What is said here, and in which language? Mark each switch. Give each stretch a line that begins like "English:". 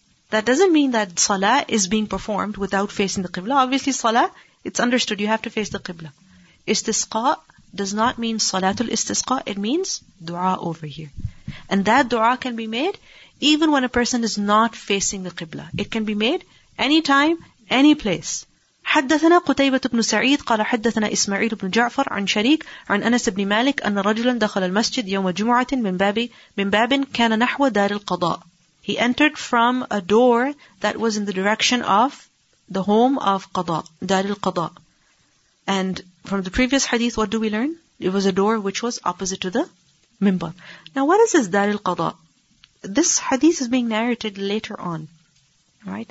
English: That doesn't mean that salah is being performed without facing the qibla. Obviously salah, it's understood, you have to face the qibla. Istisqa does not mean salatul istisqa, it means dua over here. And that dua can be made even when a person is not facing the qibla. It can be made anytime, any place.
Arabic: حدثنا قتيبة بن سعيد قال حدثنا إسماعيل بن جعفر عن شريك عن أنس بن مالك أن رجلا دخل المسجد يوم جمعة من باب كان نحو دار القضاء.
English: He entered from a door that was in the direction of the home of Qadha, Dar al-Qadha. And from the previous hadith, what do we learn? It was a door which was opposite to the minbar. Now what is this Dar al-Qadha? This hadith is being narrated later on, right?